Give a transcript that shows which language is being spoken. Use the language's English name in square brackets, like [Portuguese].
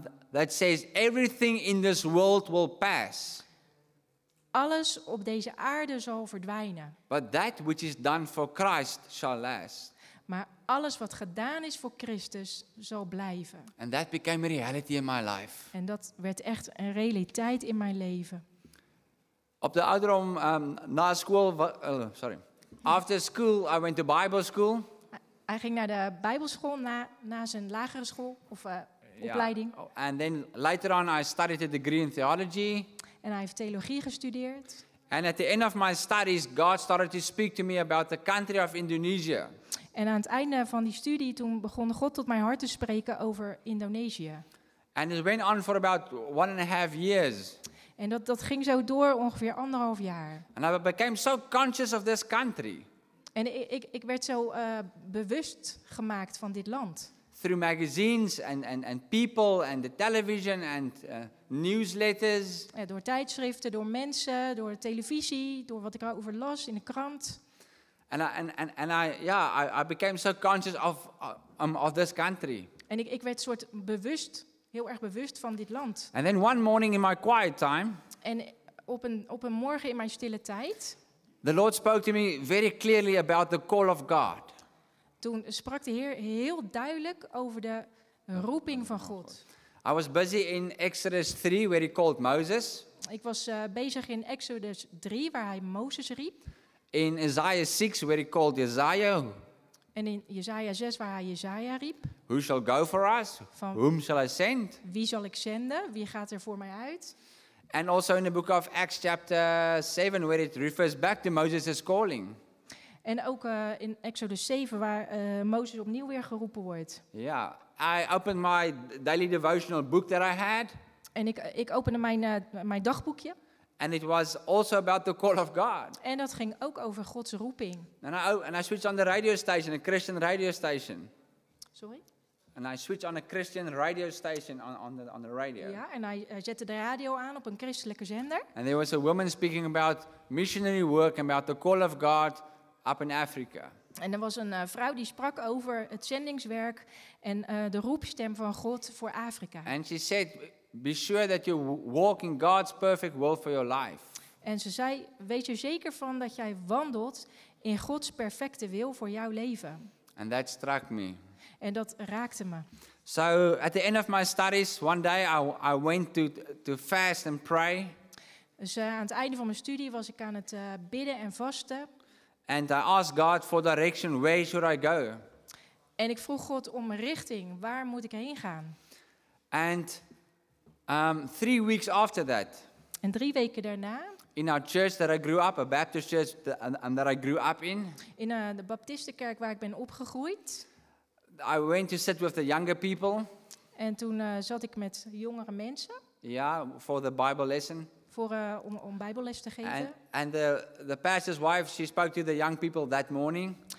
[English] That says everything in this world will pass. [Dutch] Alles op deze aarde zal verdwijnen. [English] But that which is done for Christ shall last. [Dutch] Maar alles wat gedaan is voor Christus zal blijven. [English] And that became a reality in my life. [Dutch] En dat werd echt een realiteit in mijn leven. Op de ouderdom na school, [English] after school I went to Bible school. [Dutch] Hij ging naar de Bijbelschool na zijn lagere school of opleiding. [English] And then later on I studied a degree in theology. [Dutch] En hij heeft theologie gestudeerd. [English] And at the end of my studies God started to speak to me about the country of Indonesia. [Dutch] En aan het einde van die studie toen begon God tot mijn hart te spreken over Indonesië. [English] And it went on for about 1.5 years. [Dutch] En dat ging zo door ongeveer 1.5 jaar. [English] And I became so conscious of this country. [Dutch] En ik werd zo bewust gemaakt van dit land. [English] Through magazines and people and the television and newsletters. [Dutch] Ja, door tijdschriften, door mensen, door de televisie, door wat ik erover las in de krant. [English] And I became so conscious of this country. [Dutch] En ik werd soort bewust, heel erg bewust van dit land. [English] And then one morning in my quiet time. [Dutch] En op een morgen in mijn stille tijd. [English] The Lord spoke to me very clearly about the call of God. [Dutch] Toen sprak de Heer heel duidelijk over de roeping van God. [English] I was busy in Exodus 3 where he called Moses. [Dutch] Ik was bezig in Exodus 3 waar hij Mozes riep. [English] In Isaiah 6, where he called Isaiah. [Dutch] En in Jesaja 6, waar hij Jesaja riep. [English] Who shall go for us? Van, whom shall I send? [Dutch] Wie zal ik zenden? Wie gaat er voor mij uit? [English] And also in the book of Acts chapter 7, where it refers back to Moses' calling. [Dutch] En ook in Exodus 7, waar Mozes opnieuw weer geroepen wordt. Ja, yeah. [English] I opened my daily devotional book that I had. [Dutch] En ik opende mijn dagboekje. [English] And it was also about the call of God. [Dutch] En dat ging ook over Gods roeping. [English] And I switched on the radio station, a Christian radio station. Sorry? And I switched on a Christian radio station on the radio. [Dutch] Ja, en hij zette de radio aan op een christelijke zender. [English] And there was a woman speaking about missionary work and about the call of God up in Africa. [Dutch] En er was een vrouw die sprak over het zendingswerk en de roepstem van God voor Afrika. [English] And she said, be sure that you walk in God's perfect will for your life. [Dutch] En ze zei, wees er zeker van dat jij wandelt in Gods perfecte wil voor jouw leven. [English] And that struck me. [Dutch] En dat raakte me. [English] So at the end of my studies, one day I went to fast and pray. [Dutch] Dus aan het einde van mijn studie was ik aan het bidden en vasten. [English] And I asked God for direction, where should I go? [Dutch] En ik vroeg God om richting, waar moet ik heen gaan? [English] And 3 weeks after that. [Dutch] En 3 weken daarna. [English] In our church that I grew up, a Baptist church that I grew up in. [Dutch] In de Baptistenkerk waar ik ben opgegroeid. [English] I went to sit with the younger people. [Dutch] En toen zat ik met jongere mensen. [English] Ja, yeah, for the Bible lesson. [Dutch] Voor om Bijbelles te geven. [English] And the pastor's wife, she spoke to the young people that morning.